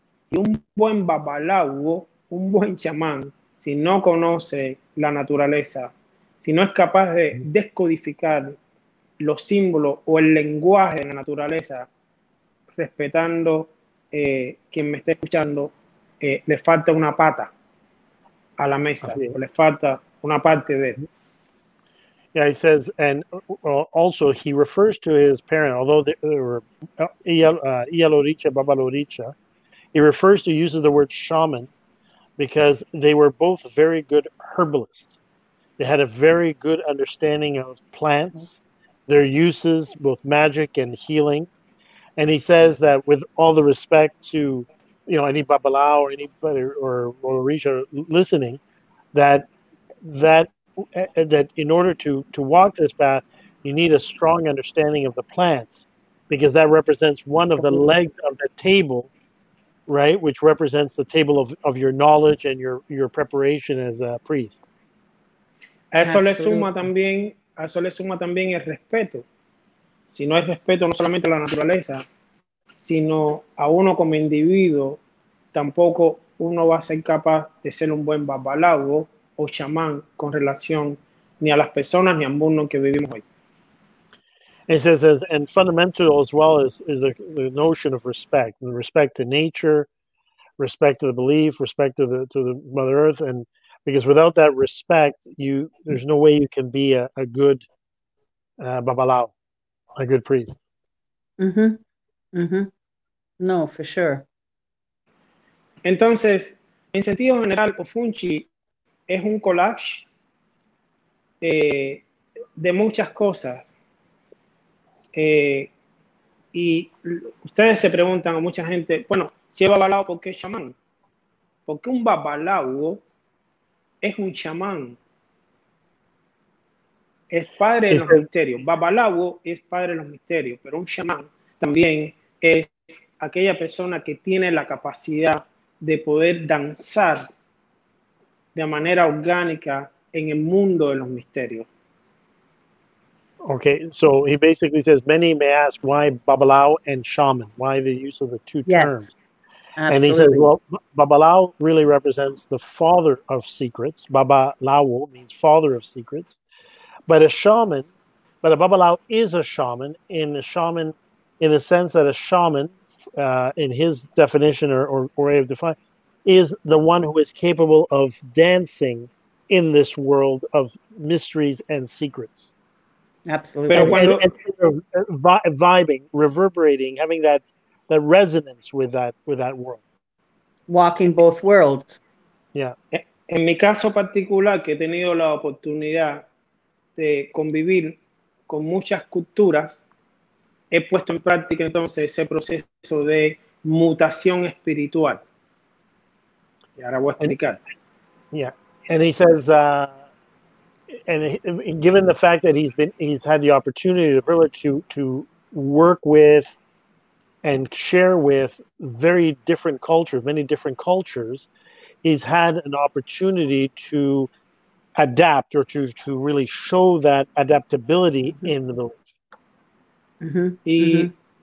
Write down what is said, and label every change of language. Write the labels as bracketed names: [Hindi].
[Spanish] Y un buen babalawo, un buen chamán, si no conoce la naturaleza, si no es capaz de descodificar los símbolos o el lenguaje de la naturaleza, respetando quien me esté escuchando, le falta una pata a la mesa, o le falta una parte de él. [English] Yeah, he says, and also he refers to his parent, although they were Ia Lorisha, Baba Lorisha, he refers to using the word shaman because they were both very good herbalists. They had a very good understanding of plants, their uses, both magic and healing. And he says that with all the respect to, you know, any Babalao or anybody or Orisha listening, that in order to walk this path, you need a strong understanding of the plants because that represents one of the legs of the table, right, which represents the table of your knowledge and your preparation as a priest. [Spanish] Eso le suma también el respeto. Si no hay respeto no solamente a la naturaleza, sino a uno como individuo, tampoco uno va a ser capaz de ser un buen babalawo o chamán con relación ni a las personas ni al mundo que vivimos hoy. [English] It says, and fundamental as well is the notion of respect, the respect to nature, respect to the belief, respect to the Mother Earth, and because without that respect, there's no way you can be a good babalawo, a good priest. No, for sure. [Spanish] Entonces, en sentido general, Ofunchi es un collage de muchas cosas. Y ustedes se preguntan a mucha gente, bueno, si es babalawo, ¿por qué es chamán? ¿Por qué un babalawo es un chamán? Es padre de los misterios. Babalawo es padre de los misterios, pero un chamán también es aquella persona que tiene la capacidad de poder danzar de manera orgánica en el mundo de los misterios. [English] Okay, so he basically says many may ask why babalawo and shaman, why the use of the two terms. Yes, absolutely. And he says, well, babalawo really represents the father of secrets. Babalawo means father of secrets. But a babalawo is a shaman in the sense that a shaman, in his definition or way of defining, is the one who is capable of dancing in this world of mysteries and secrets. Absolutely. And vibing, reverberating, having that resonance with that world. Walking both worlds. Yeah. [Spanish] En mi caso particular, que he tenido la oportunidad de convivir con muchas culturas, he puesto en práctica entonces ese proceso de mutación espiritual. Y ahora voy a explicar. [English] And he says, and given the fact that he's had the opportunity, the privilege to work with and share with very different cultures, many different cultures, he's had an opportunity to adapt or to really show that adaptability in the belief.